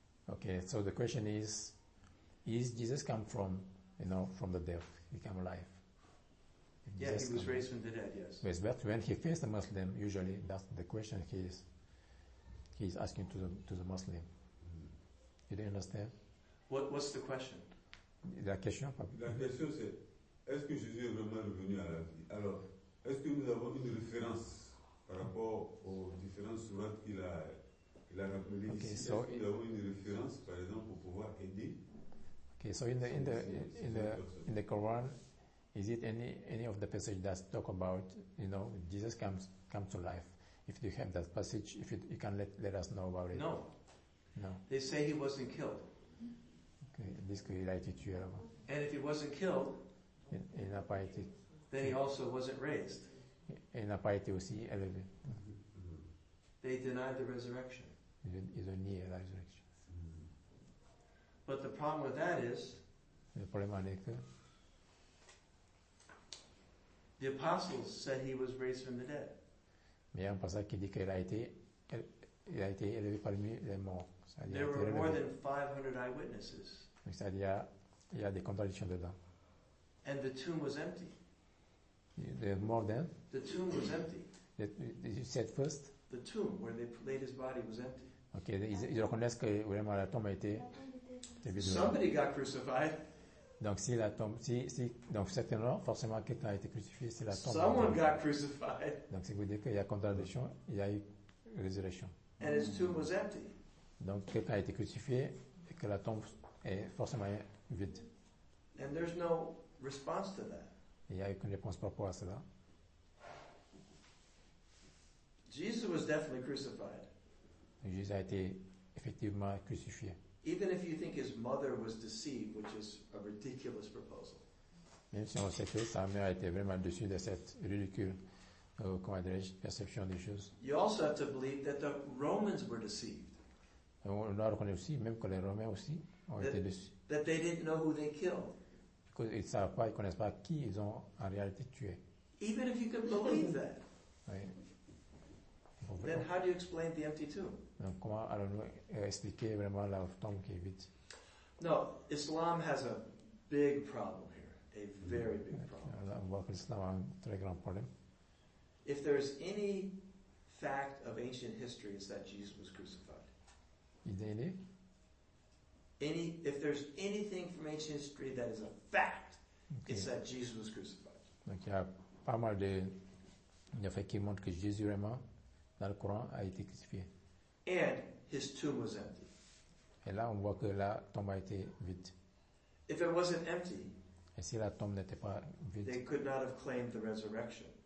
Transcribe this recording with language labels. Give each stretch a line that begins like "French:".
English: Okay, so the question is Jesus come from, you know, from the dead? He come alive. Yeah, he was raised from the dead, yes. Yes, but when he faced the Muslim, usually that's the question he is asking to the Muslim. Mm-hmm. You don't understand? What's the question?
French: La question, Papa. La question, c'est, est-ce que Jésus est vraiment revenu à la vie? Alors, est-ce que nous avons une référence par rapport aux différentes sourates qu'il a rappelées okay, ici? So est-ce que nous avons une référence, par exemple, pour pouvoir aider?
English: Okay, so in the Quran, is it any of the passage that talk about, you know, Jesus comes to life? If you have that passage, if you can let us know about it. No. No. They say he wasn't killed. Okay, this could be like it, you know. And if he wasn't killed, in a piety, then he also wasn't raised. In a piety, we see elevated. Mm-hmm. They denied the resurrection. It's a near resurrection. Mm-hmm. But the problem with that is, the problem is, the apostles said he was raised from the dead.
French: Mais un passage qui dit qu'il a été élevé parmi les morts.
English: There were more than 500 eyewitnesses.
French: C'est-à-dire, il y a des contradictions dedans.
English: And the tomb was empty. There were more than? The tomb was empty. Did you say first? The tomb where they laid his body was empty.
French: Okay, ils reconnaissent que vraiment la tombe a été.
English: Somebody got crucified.
French: Donc si la tombe, donc certainement, forcément quelqu'un a été crucifié, c'est la tombe.
English: Someone got crucified.
French: Donc c'est vous dire qu'il y a contradiction, il y a eu résurrection.
English: And his tomb was empty.
French: Donc quelqu'un a été crucifié et que la tombe est forcément vide.
English: And there's no response to that.
French: Il y a aucune réponse par rapport à cela.
English: Jesus was definitely crucified.
French: Jésus a été effectivement crucifié.
English: Even if you think his mother was deceived, which is a ridiculous proposal.
French: Même si on sait que sa mère était vraiment déçue de cette ridicule perception des choses.
English: You also have to believe that the Romans were deceived.
French: On a reconnu aussi, même que les Romains aussi ont été déçus.
English: That they didn't know who they killed.
French: Because ils savent pas, ils connaissent pas qui ils ont en réalité tué.
English: Even if you could believe that.
French: Oui.
English: Then how do you explain the empty tomb?
French: Donc, comment allons-nous expliquer vraiment la tombe qui est vide?
English: No, Islam has a big problem here. A very big problem.
French: On voit que l'islam a un très grand problème.
English: If there is any fact of ancient history, it's that Jesus was crucified. If there's anything from ancient history that is a fact, okay, it's that Jesus was crucified.
French: Donc il y a pas mal de faits qui montrent que Jésus vraiment dans le Coran a été crucifié.
English: And his tomb was empty.
French: Et là, on voit que la tombe a été vide.
English: If it wasn't empty,
French: et si la tombe n'était pas vide,
English: they could not have claimed the resurrection.